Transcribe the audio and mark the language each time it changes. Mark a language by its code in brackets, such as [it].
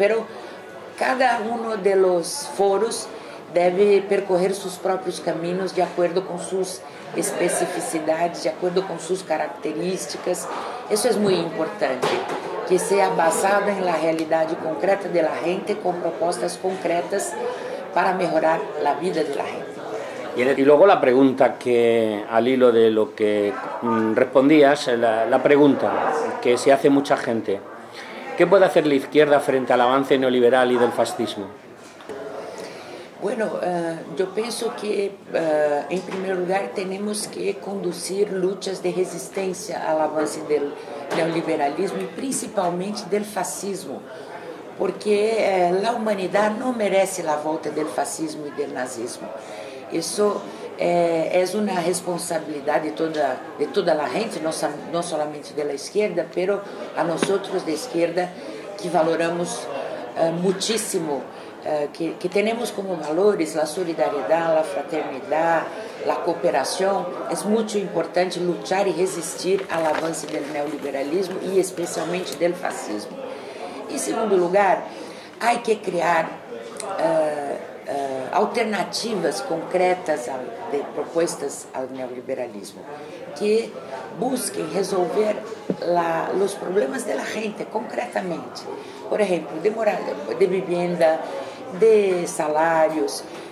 [pt] Pero cada um dos foros deve percorrer seus próprios caminhos de acordo com suas especificidades, de acordo com suas características. Isso é muito importante, que seja baseado na realidade concreta da gente com propostas concretas para melhorar a vida da gente. E logo a pergunta que, [es] al hilo de lo que respondías, a pergunta que se hace muita gente: ¿qué puede hacer la izquierda frente al avance neoliberal y del fascismo? Bueno, yo pienso que en primer lugar tenemos que conducir luchas de resistencia al avance del neoliberalismo y principalmente del fascismo, porque la humanidad no merece la vuelta del fascismo y del nazismo. Eso es una responsabilidad de toda la gente, no solamente de la izquierda, pero a nosotros de izquierda que valoramos muchísimo, que tenemos como valores la solidaridad, la fraternidad, la cooperación. Es mucho importante luchar y resistir al avance del neoliberalismo y especialmente del fascismo. En segundo lugar, hay que crear alternativas [pt] concretas de propostas ao neoliberalismo que busquem resolver os problemas da gente concretamente, por exemplo, de morada, de vivienda, de salários,